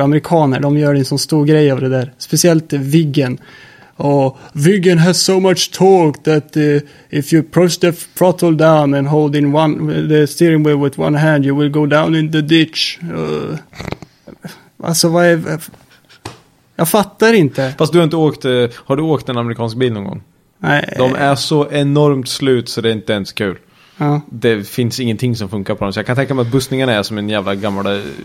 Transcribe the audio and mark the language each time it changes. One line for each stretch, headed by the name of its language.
Swedish: Amerikaner, de gör en sån stor grej av det där. Speciellt Viggen.
English: Och Viggen has so much torque that if you press the throttle down and hold in one, the steering wheel with one hand, you will go down in the ditch.
Swedish: Alltså, vad är... Jag fattar inte. Fast du har inte åkt, har du åkt en amerikansk bil någon gång? Nej. De är så enormt slut så det är inte ens kul. Ja. Det finns ingenting som funkar på dem. Så jag kan tänka mig att bussningarna är som en jävla gammal...